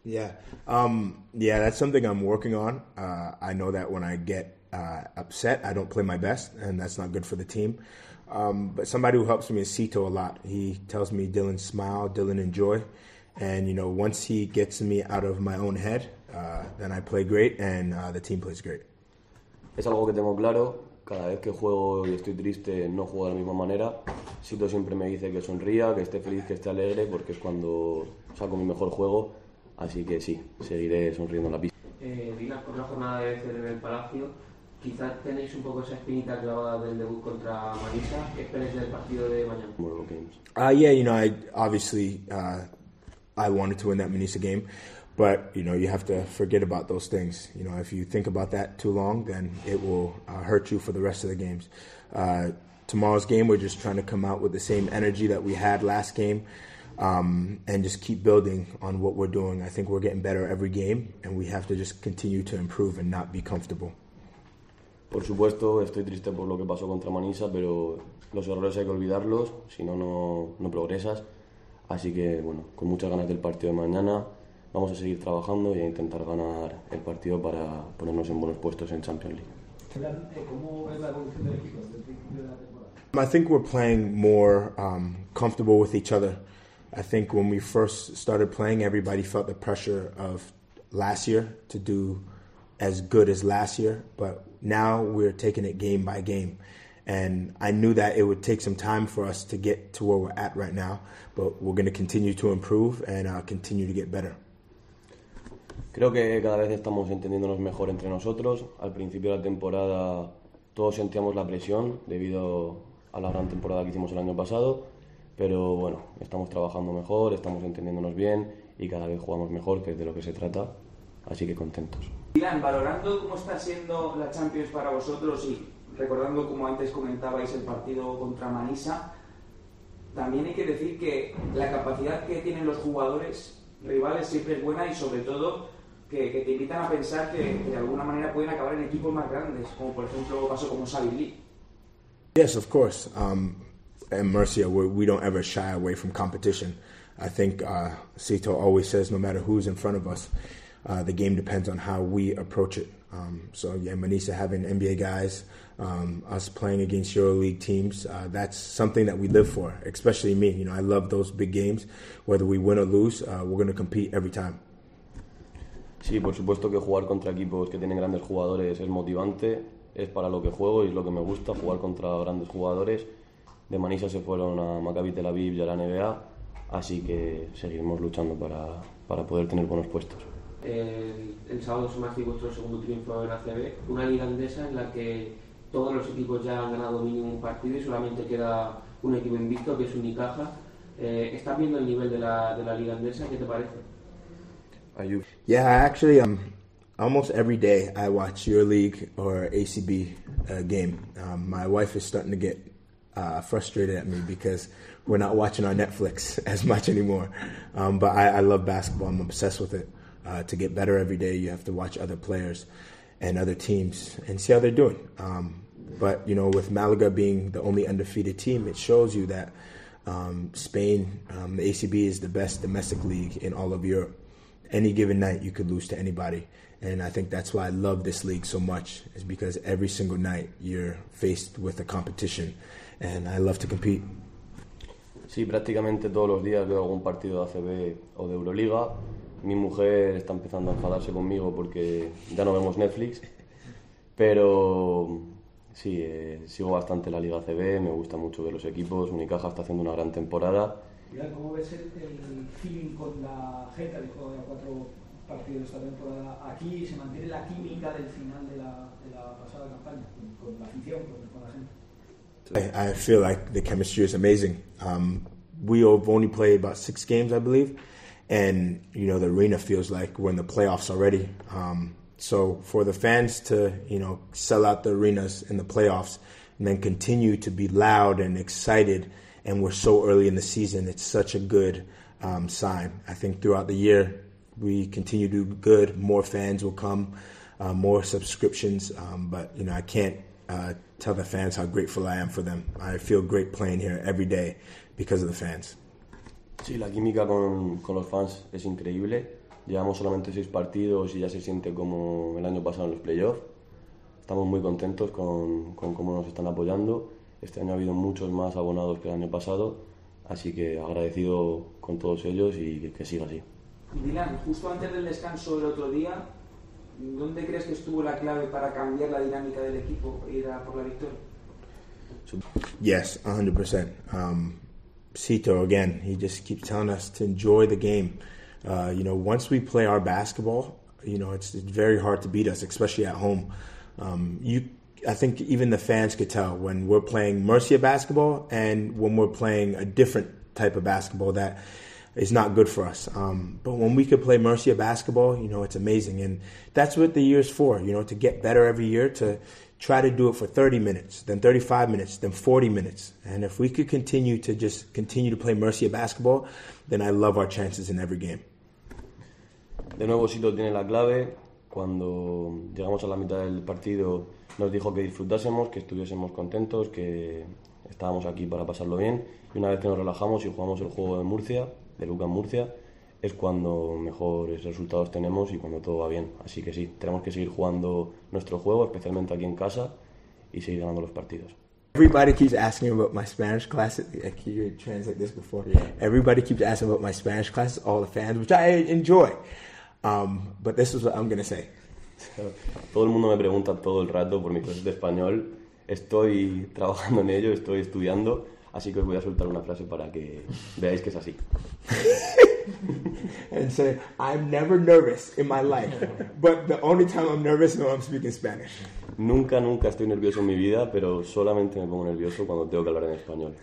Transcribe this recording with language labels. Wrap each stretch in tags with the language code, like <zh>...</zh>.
<en>Yeah, that's something I'm working on. I know that when I get upset, I don't play my best, and that's not good for the team. But somebody who helps me is Cito a lot. He tells me, "Dylan, smile, Dylan, enjoy." And once he gets me out of my own head, then I play great, and the team plays great.</en> <es>Es algo que tengo claro. Cada vez que juego y estoy triste, no juego de la misma manera. Sito siempre me dice que sonría, que esté feliz, que esté alegre, porque es cuando saco mi mejor juego. Así que sí, seguiré sonriendo en la pista. Dinas, por la jornada de CD en el Palacio, quizás tenéis un poco esa espinita clavada del debut contra Manisa. ¿Qué esperáis del partido de mañana?</es> <en>I obviously I wanted to win that Manisa game, but you have to forget about those things. If you think about that too long, then it will hurt you for the rest of the games. Tomorrow's game, we're just trying to come out with the same energy that we had last game, and just keep building on what we're doing. I think we're getting better every game, and we have to just continue to improve and not be comfortable.</en> <es>Por supuesto, estoy triste por lo que pasó contra Manisa, pero los errores hay que olvidarlos, si no, no progresas. Así que, bueno, con muchas ganas del partido de mañana, vamos a seguir trabajando y a intentar ganar el partido para ponernos en buenos puestos en Champions League. ¿Cómo es la evolución del equipo desde el principio de la temporada?</es> <en>I think we're playing more comfortable with each other. I think when we first started playing, everybody felt the pressure of last year to do as good as last year. But now we're taking it game by game. And I knew that it would take some time for us to get to where we're at right now. But we're going to continue to improve and continue to get better.</en> <es>Creo que cada vez estamos entendiéndonos mejor entre nosotros. Al principio de la temporada todos sentíamos la presión debido a la gran temporada que hicimos el año pasado, pero bueno, estamos trabajando mejor, estamos entendiéndonos bien y cada vez jugamos mejor, que es de lo que se trata, así que contentos. Milan, valorando cómo está siendo la Champions para vosotros y recordando como antes comentabais el partido contra Manisa, también hay que decir que la capacidad que tienen los jugadores rivales siempre es buena y sobre todo que te invitan a pensar que de alguna manera pueden acabar en equipos más grandes, como por ejemplo pasó con Sabi.</es> <en>Yes, of course. And Murcia, we don't ever shy away from competition. I think Cito always says, no matter who's in front of us, the game depends on how we approach it. Manisa having NBA guys, us playing against EuroLeague teams, that's something that we live for, especially me. I love those big games. Whether we win or lose, we're going to compete every time.</en> <es>Sí, por supuesto que jugar contra equipos que tienen grandes jugadores es motivante, es para lo que juego y es lo que me gusta, jugar contra grandes jugadores. De Manisa se fueron a Maccabi Tel Aviv y a la NBA, así que seguiremos luchando para poder tener buenos puestos. El sábado sumasteis vuestro segundo triunfo en ACB, una liga andesa en la que todos los equipos ya han ganado mínimo un partido y solamente queda un equipo invicto, que es Unicaja. ¿Estás viendo el nivel de la liga andesa? ¿Qué te parece?</es> <en>Yeah, actually, almost every day I watch EuroLeague or ACB game. My wife is starting to get frustrated at me because we're not watching our Netflix as much anymore. But I love basketball. I'm obsessed with it. To get better every day, you have to watch other players and other teams and see how they're doing. But with Malaga being the only undefeated team, it shows you that Spain, the ACB is the best domestic league in all of Europe. Any given night, you could lose to anybody. And I think that's why I love this league so much, is because every single night you're faced with a competition, and I love to compete.</en> <es>Sí, prácticamente todos los días veo algún partido de ACB o de Euroliga. Mi mujer está empezando a enfadarse conmigo porque ya no vemos Netflix. Pero sí, sigo bastante la Liga ACB, me gusta mucho ver los equipos. Unicaja está haciendo una gran temporada. ¿Cómo ves el feeling con la gente del juego de a cuatro partidos esta temporada aquí? ¿Se mantiene la química del final de la pasada campaña con la afición, con la gente?</es> <en>I feel like the chemistry is amazing. We have only played about six games, I believe, and the arena feels like we're in the playoffs already. So for the fans to sell out the arenas in the playoffs and then continue to be loud and excited, and we're so early in the season, it's such a good sign. I think throughout the year we continue to do good, more fans will come, more subscriptions, but I can't tell the fans how grateful I am for them. I feel great playing here every day because of the fans.</en> <es>Sí, la química con los fans es increíble. Llevamos solamente 6 partidos y ya se siente como el año pasado en los playoffs. Estamos muy contentos con cómo nos están apoyando. Este año ha habido muchos más abonados que el año pasado, así que agradecido con todos ellos y que siga así. Dylan, justo antes del descanso del otro día, ¿dónde crees que estuvo la clave para cambiar la dinámica del equipo e ir a por la victoria?</es> <en>Yes, 100%. Cito, again, he just keeps telling us to enjoy the game. You know, once we play our basketball, you know, it's very hard to beat us, especially at home. I think even the fans could tell when we're playing Mercia basketball and when we're playing a different type of basketball that is not good for us. But when we could play Mercia basketball, you know, it's amazing. And that's what the year's for, you know, to get better every year, to try to do it for 30 minutes, then 35 minutes, then 40 minutes. And if we could continue to just continue to play Mercia basketball, then I love our chances in every game.</en> <es>De nuevo, Sito tiene la clave. Cuando llegamos a la mitad del partido, nos dijo que disfrutásemos, que estuviésemos contentos, que estábamos aquí para pasarlo bien. Y una vez que nos relajamos y jugamos el juego de Murcia, de Lucas Murcia, es cuando mejores resultados tenemos y cuando todo va bien. Así que sí, tenemos que seguir jugando nuestro juego, especialmente aquí en casa, y seguir ganando los partidos.</es> <en>Everybody keeps asking about my Spanish classes. I can't even translate this before. Yeah. Everybody keeps asking about my Spanish classes, all the fans, which I enjoy. But this is what I'm going to say.</en> <es>Todo el mundo me pregunta todo el rato por mi clase de español. Estoy trabajando en ello, estoy estudiando, así que os voy a soltar una frase para que veáis que es así.</es> <en>And say, I'm never nervous in my life, but the only time I'm nervous is when I'm speaking Spanish.</en> <es>Nunca estoy nervioso en mi vida, pero solamente me pongo nervioso cuando tengo que hablar en español.</es>